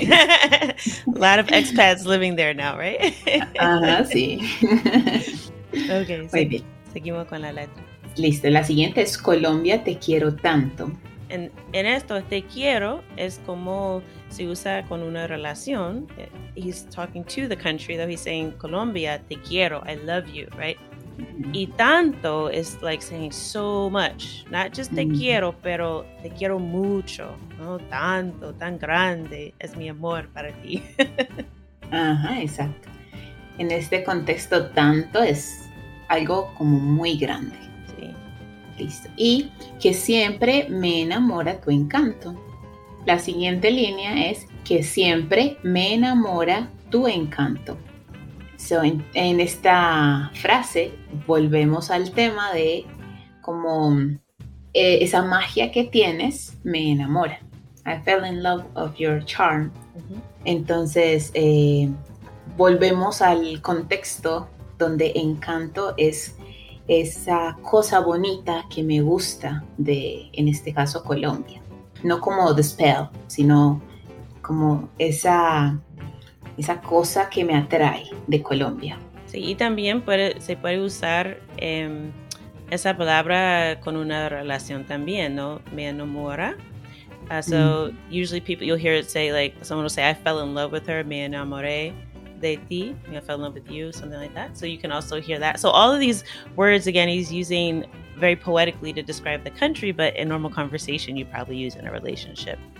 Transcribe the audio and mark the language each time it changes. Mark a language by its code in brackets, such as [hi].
[en] A lot of expats living there now, right? [es] Ajá, sí. Ok, muy sí. bien. Seguimos con la letra. Listo, la siguiente es Colombia, te quiero tanto. En esto, te quiero, es como se usa con una relación. [en] He's talking to the country, though he's saying, [es] Colombia, te quiero, [en] I love you, right? [es] Y tanto [en] is like saying so much, not just [es] te quiero, pero te quiero mucho, ¿no? Tanto, tan grande, es mi amor para ti. Ajá, exacto. En este contexto, tanto es algo como muy grande. Sí. Listo. Y que siempre me enamora tu encanto. La siguiente línea es que siempre me enamora tu encanto. So, en esta frase volvemos al tema de como esa magia que tienes me enamora. [en] I fell in love of your charm. [es] Entonces, volvemos al contexto donde encanto es esa cosa bonita que me gusta de, en este caso, Colombia. No como [en] the spell, [es] sino como esa cosa que me atrae de Colombia. Sí, y también se puede usar esa palabra con una relación también, ¿no? Me enamora. [en] So, usually people, you'll hear it say, like, someone will say, I fell in love with her, [es] me enamoré de ti, [en] I fell in love with you, something like that. So you can also hear that. So all of these words, again, he's using very poetically to describe the country, but in normal conversation, you probably use in a relationship.